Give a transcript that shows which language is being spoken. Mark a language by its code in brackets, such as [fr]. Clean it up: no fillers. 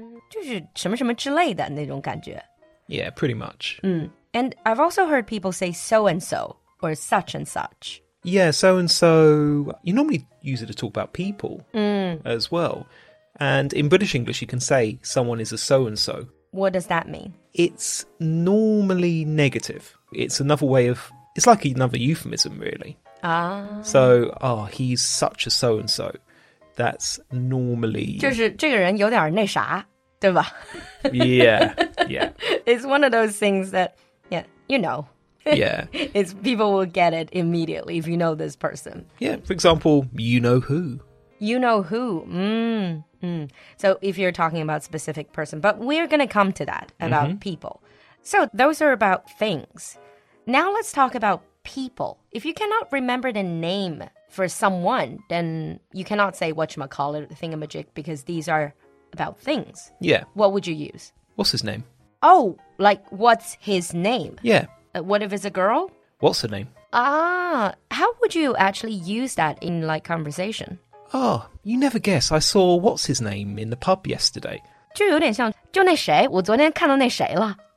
[zh] 就是什么什么之类的那种感觉。 [en] Yeah, pretty much. Mm. And I've also heard people say so-and-so or such-and-such. Yeah, so-and-so, you normally use it to talk about people as well. And in British English, you can say someone is a so-and-so. What does that mean? It's normally negative. It's another way of... It's like another euphemism, really. Ah. So, oh, he's such a so-and-so. That's normally... [zh] 就是这个人有点那啥，对吧？ [en] Yeah, yeah. It's one of those things that, yeah, you know. Yeah. It's, people will get it immediately if you know this person. Yeah, for example, you know who. You know who, So if you're talking about a specific person, but we're going to come to that about mm-hmm. people. So those are about things. Now let's talk about people. If you cannot remember the name for someone, then you cannot say whatchamacallit, thingamajig, because these are about things. Yeah. What would you use? What's his name? Oh, like what's his name? Yeah. What if it's a girl? What's her name? Ah, how would you actually use that in like conversation? Oh, you never guess. I saw what's his name in the pub yesterday. [zh] 就有点像就那谁我昨天看到那谁了。